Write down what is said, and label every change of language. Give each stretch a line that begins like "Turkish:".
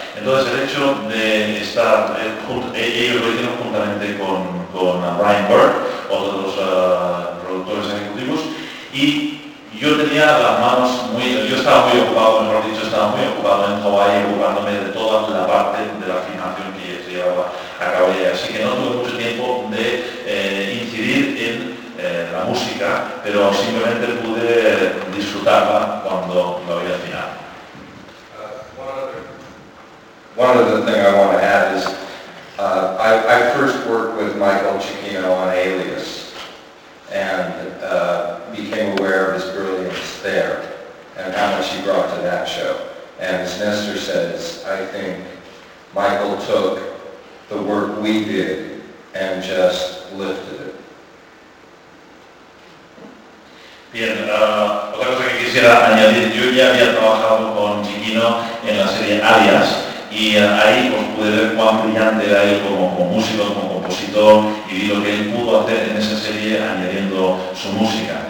Spanish: Entonces el hecho de estar, ellos lo hicieron juntamente con Brian Burke, otro de los productores ejecutivos, y yo tenía las manos estaba muy ocupado en Hawái, ocupándome de toda la parte de la filmación que llevaba a cabo allá. Así que no tuve mucho tiempo de incidir en la música, pero simplemente pude disfrutarla cuando lo había final.
English: One other thing I want to add is I first worked with Michael Cicchino on Alias and became aware of his brilliance there and how much he brought to that show. And as Nestor says, I think Michael took the work we did and just lifted it.
Spanish: Bien, otra cosa que quisiera añadir, yo ya había trabajado con Cicchino en la serie Alias y ahí pues, pude ver cuán brillante era él como músico, como compositor, y vi lo que él pudo hacer en esa serie añadiendo su música.